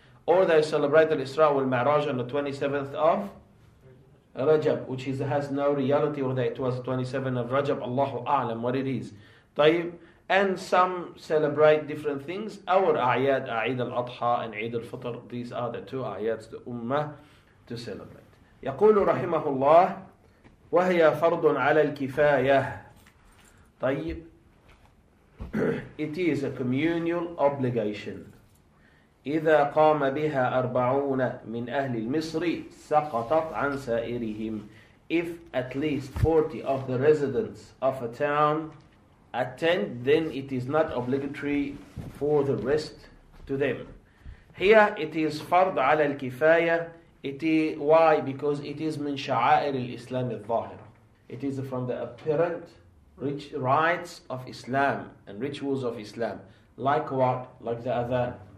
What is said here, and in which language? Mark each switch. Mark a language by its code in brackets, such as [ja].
[en] Or they celebrate al-Isra wal-Mi'raj on the 27th of Rajab, which has no reality, or that it was 27 of Rajab. Allahu A'lam what it is. Tayyib. And some celebrate different things. Our ayat, Eid al-Adha and Eid al-Fitr, these are the two ayats the Ummah to celebrate. [ar] يقول رحمه الله وهي فرض على الكفاية. طيب. [en] It is a communal obligation. [ar] إذا قام بها أربعون من أهل المصر سقطت عن سائرهم. [en] If at least 40 of the residents of a town attend, then it is not obligatory for the rest to them. Here it is fard ala al-kifaya. Why? Because it is [ar] min sha'air al-Islam al-zahira. [en] It is from the apparent rich rites of Islam and rituals of Islam. Like what? Like the adhan.